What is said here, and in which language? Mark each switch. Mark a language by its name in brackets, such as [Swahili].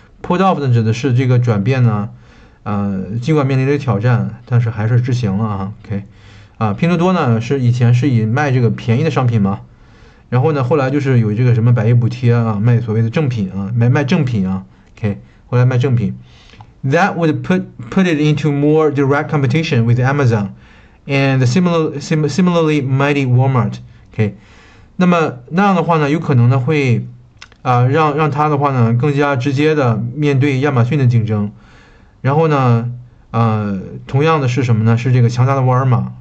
[English] Pulled off [Chinese] 呢，指的是这个转变呢，尽管面临着挑战，但是还是执行了啊。 OK， 拼多多呢是以前是以卖这个便宜的商品吗？然后呢，后来就是有这个什么百亿补贴啊，卖所谓的正品啊，卖正品啊 ，OK， 后来卖正品。 [English] That would put it into more direct competition with Amazon and the similarly mighty Walmart. [Chinese] OK， 那么那样的话呢，有可能呢会让他的话呢更加直接的面对亚马逊的竞争。然后呢，同样的是什么呢？是这个强大的沃尔玛。